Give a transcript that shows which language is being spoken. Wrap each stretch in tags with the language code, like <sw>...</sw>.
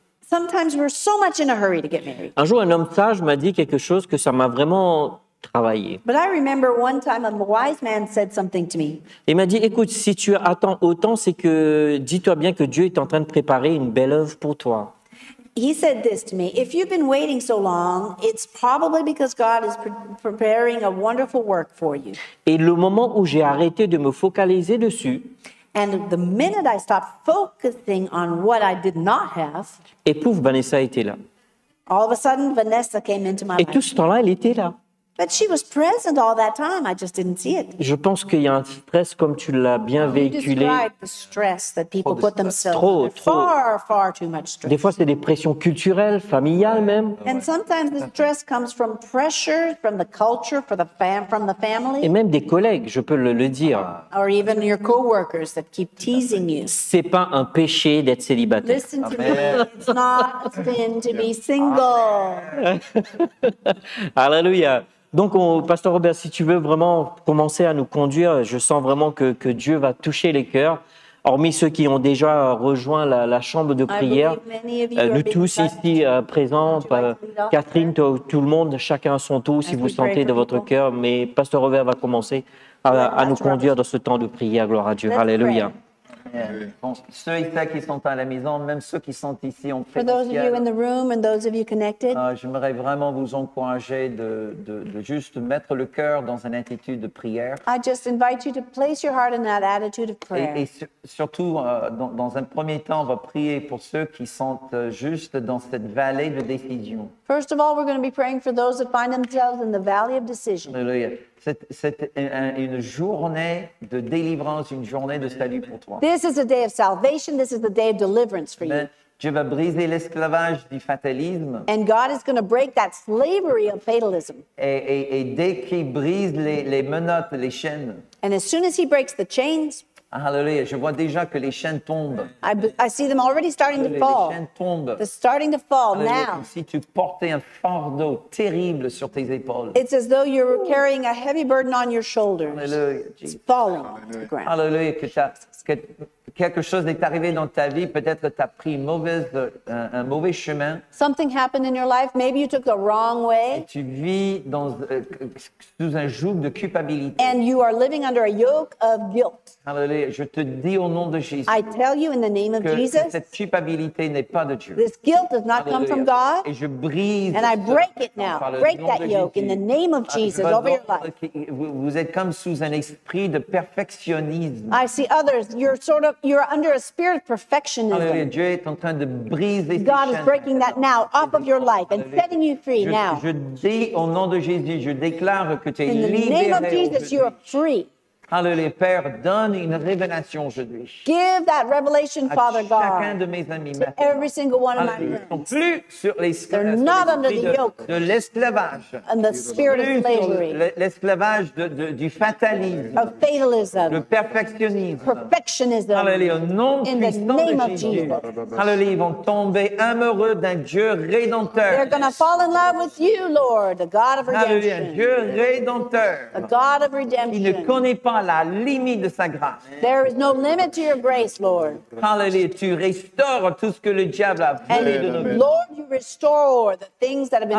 <en>Sometimes we're so much in a hurry to get married.</en> <fr>Un jour, un homme sage m'a dit quelque chose que ça m'a vraiment travaillé.</fr> <en>But I remember one time a wise man said something to me.</en> <fr>Il m'a dit, écoute, si tu attends autant, c'est que dis-toi bien que Dieu est en train de préparer une belle œuvre pour toi.</fr> <en>He said this to me, if you've been waiting so long, it's probably because God is preparing a wonderful work for you.</en> <fr>Et le moment où j'ai arrêté de me focaliser dessus,</fr> <en>and the minute I stopped focusing on what I did not have,</en> <fr>et pouf, Vanessa était là.</fr> <en>All of a sudden, Vanessa came into my life.</en> <fr>Et tout ce temps-là, elle était là.</fr> <en>But she was present all that time. I just didn't see it.</en> <fr>Je pense qu'il y a un stress comme tu l'as bien véhiculé.</fr> <en>You describe the stress that people put themselves</en> <fr>trop, trop.</fr> <en>Far, far too much stress.</en> <fr>Des fois, c'est des pressions culturelles, familiales même.</fr> <en>And sometimes the stress comes from pressure, from the culture, from the family.</en> <fr>Et même des collègues, je peux le dire.</fr> <en>Or even your co-workers that keep teasing you.</en> <fr>C'est pas un péché d'être célibataire.</fr> <en>Listen to me. It's not a sin to be single.</en> <fr>Alléluia. Donc, Pasteur Robert, si tu veux vraiment commencer à nous conduire, je sens vraiment que Dieu va toucher les cœurs, hormis ceux qui ont déjà rejoint la chambre de prière. Nous tous ici présents, Kathryn, tout le monde, chacun à son tour, si vous sentez de votre cœur. Mais Pasteur Robert va commencer à nous conduire dans ce temps de prière. Gloire à Dieu. Alléluia. Ceux ici qui sont à la maison, même ceux qui sont ici, on fait ciel. J'aimerais vraiment vous encourager de juste mettre le cœur dans une attitude de prière.</fr> <en>I just invite you to place your heart in that attitude of prayer.</en> <fr>Et surtout, dans un premier temps, on va prier pour ceux qui sont juste dans cette vallée de décision.</fr> <en>First of all, we're going to be praying for those that find themselves in the valley of decision.</en> <fr>Alléluia. C'est une journée de délivrance, une journée de salut pour toi.</fr> <en>This is a day of salvation. This is the day of deliverance for you.</en> <fr>Dieu va briser l'esclavage du fatalisme.</fr> <en>And God is going to break that slavery of fatalism.</en> <fr>Et dès qu'il brise les menottes, les chaînes.</fr> <en>And as soon as he breaks the chains.</en> <fr>Hallelujah. Je vois déjà que les chaînes tombent.</fr> <en>I see them already starting to fall.</en> <fr>Les chaînes tombent.</fr> <en>They're starting to fall now.</en> <fr>Si tu portais un fardeau terrible sur tes épaules.</fr> <en>It's as though you're carrying a heavy burden on your shoulders. Hallelujah. It's falling to the ground. Hallelujah.</en> <fr>Quelque chose est arrivé dans ta vie, peut-être tu as pris un mauvais chemin.</fr> <en>Something happened in your life, maybe you took the wrong way.</en> <fr>Et tu vis sous un joug de culpabilité.</fr> <en>And you are living under a yoke of guilt.</en> <fr>Alléluia, je te dis au nom de Jésus.</fr> <en>I tell you in the name of Jesus.</en> <fr>Que cette culpabilité n'est pas de Dieu.</fr> <en>This guilt does not</en> <fr>Alléluia.</fr> <en>Come from God.</en> <fr>Et je brise.</fr> <en>And I break it now. Break that yoke</en> <fr>Jésus.</fr> <en>In the name of Jesus over your life.</en> <fr>Vous êtes comme sous un esprit de perfectionnisme.</fr> <en>I see others, you're under a spirit of perfectionism.</en> <fr>Alléluia, Dieu est en train de briser</fr> <en>God is breaking that now off of your life and setting you free now.</en> <fr>Je dis au nom de Jésus, je déclare que tu es libéré.</fr> <en>In the name of Jesus, you are free.</en> <fr>Hallelujah, Père, donne une révélation aujourd'hui.</fr> <en>Give that revelation, Father God,</en> <fr>chacun de mes amis</fr> <en>to every single one of my friends.</en> <fr>Ils sont plus sur</fr> <en>they're not under the yoke</en> <fr>de l'esclavage</fr> <en>and the spirit of slavery.</en> <fr>L'esclavage du fatalisme,</fr> <en>of fatalism,</en> <fr>le perfectionnisme.</fr> <en>Perfectionism,</en> <fr>hallelujah, non</fr> <en>in the name of Jesus.</en> <fr>Hallelujah, ils vont tomber amoureux d'un Dieu rédempteur.</fr> <en>They're going to fall in love with you, Lord, the God of redemption.</en> <fr>Hallelujah, Dieu rédempteur.</fr> <en>A God of redemption.</en> <fr>Pas la limite de sa grâce.</fr> <en>There is no limit to your grace, Lord. Hallelujah.</en> <fr>Tu restaures tout ce que le diable a volé</fr> <en>and</en> <fr>de nous.</fr> <en>Lord, you restore the things that have been</en>